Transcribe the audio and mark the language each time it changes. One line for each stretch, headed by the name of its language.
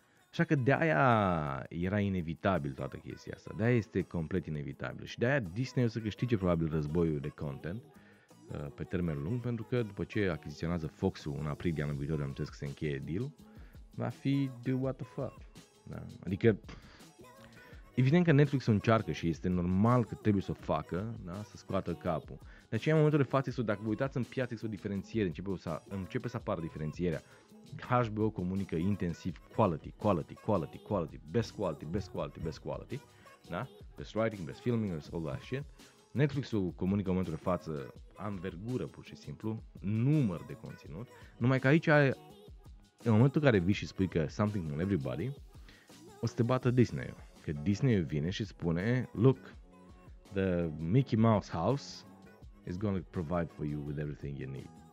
Romanian: Așa că de aia era inevitabil toată chestia asta, de aia este complet inevitabil și de aia Disney o să câștige probabil războiul de content pe termen lung, pentru că după ce achiziționează Fox-ul în aprilie anul viitor, amintesc că se încheie deal, va fi
English: do what the fuck.
Romanian: Da. Adică, evident că Netflix încearcă și este normal că trebuie să o facă, da, să scoată capul. De aceea, în momentul de față, dacă vă uitați în piață, este o diferențiere, începe să apară diferențierea. HBO comunică intensiv
English: quality, quality, quality, quality, best quality,
Romanian: best quality, best quality, da?
English: Best writing, best filming, best all that shit.
Romanian: Netflix-ul comunică în momentul de față anvergură, pur și simplu, număr de conținut, numai că aici, în momentul în care vii și spui că
English: something on everybody,
Romanian: o să te bată Disney, că Disney vine și spune,
English: look, the Mickey Mouse house is going to provide for you with everything you need.